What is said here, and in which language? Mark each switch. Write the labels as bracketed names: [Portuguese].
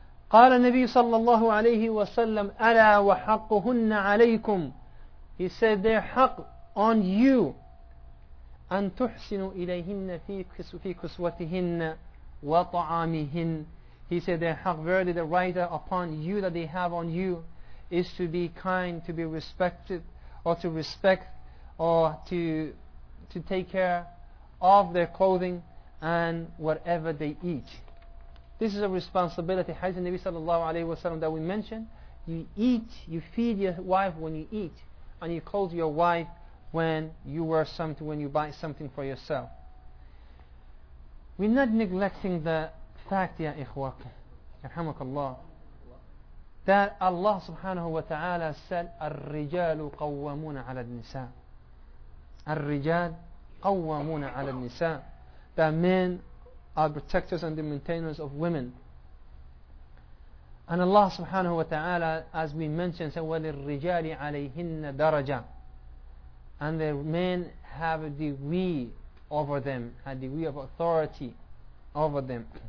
[Arabic] قال النبي صلى الله عليه وسلم ألا وحقهن عليكم. [English] He said their حق on you. [Arabic] أن تحسنوا إليهن في كسوتهن وطعامهن. [English] He said their حق, verily the right upon you that they have on you is to be kind, to be respected, or to respect, or to take care of their clothing and whatever they eat. This is a responsibility. Hadith Nabi sallallahu alayhi wa sallam that we mentioned. You eat, you feed your wife when you eat, and you clothe your wife when you wear something, when you buy something for yourself. We're not neglecting the fact, ya ikhwak, irhamakallah, that Allah subhanahu wa ta'ala said, [Arabic] الرجال قوامون على النساء. الرجال قوامون على النساء. [English] That men are protectors and the maintainers of women. And Allah subhanahu wa ta'ala, as we mentioned, said, [Arabic] وللرجال عليهن درجة. [English] And the men have a degree over them, a degree of authority over them.